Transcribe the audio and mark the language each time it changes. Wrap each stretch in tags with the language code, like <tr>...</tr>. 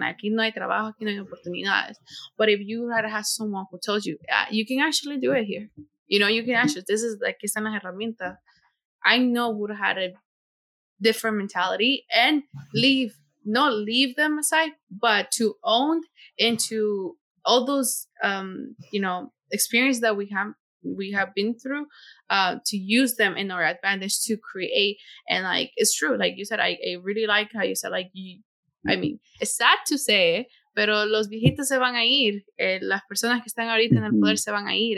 <es>Aquí no hay trabajo, aquí no hay oportunidades.</es> <en>But if you had have someone who told you, you can actually do it here. You know, you can actually, this is like,</en> <es>aquí están las herramientas.</es> <en>I know would have had a different mentality and leave, not leave them aside, but to own into all those, you know, experience that we have been through, to use them in our advantage to create. And like, it's true. Like you said, I really like how you said, like, you, I mean, it's sad to say,</en> <es>pero los viejitos se van a ir. Las personas que están ahorita en el poder se van a ir.</es>